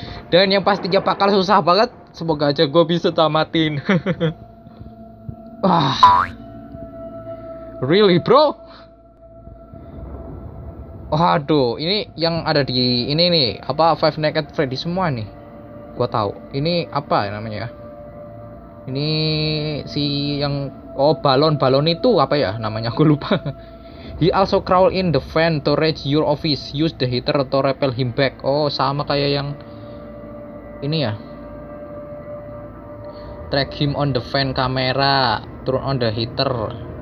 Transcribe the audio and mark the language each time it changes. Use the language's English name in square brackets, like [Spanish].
[Indonesian] Dan yang pastinya bakal susah banget. Semoga aja gue bisa tamatin. Wah. [English] Really, bro? [Indonesian] Waduh, ini yang ada di ini nih, apa Five Nights at Freddy semua nih. Gua tahu. Ini apa namanya ya? Ini si yang balon-balon itu apa ya namanya? Gua lupa. [English] He also crawl in the fan to reach your office. Use the heater to repel him back. [Indonesian] Oh, sama kayak yang ini ya. [English] Track him on the fan camera, turn on the heater.